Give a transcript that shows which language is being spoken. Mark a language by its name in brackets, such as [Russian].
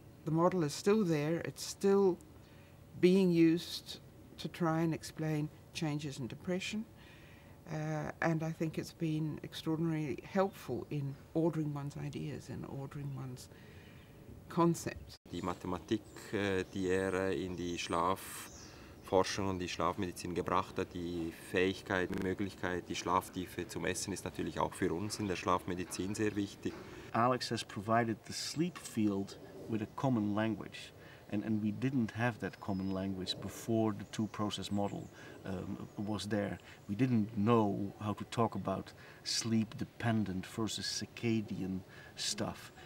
[English] The model is still there. It's still being used to try and explain changes in depression. And I think it's been extraordinarily helpful in ordering one's ideas and ordering one's concepts. [German] Die Mathematik, die er in die Schlafforschung und die Schlafmedizin gebracht hat, die Fähigkeit, die Möglichkeit, die Schlaftiefe zu messen, ist natürlich auch für uns in der Schlafmedizin sehr wichtig. [English] Alex has provided the sleep field with a common language. And we didn't have that common language before the two-process model was there. We didn't know how to talk about sleep-dependent versus circadian stuff.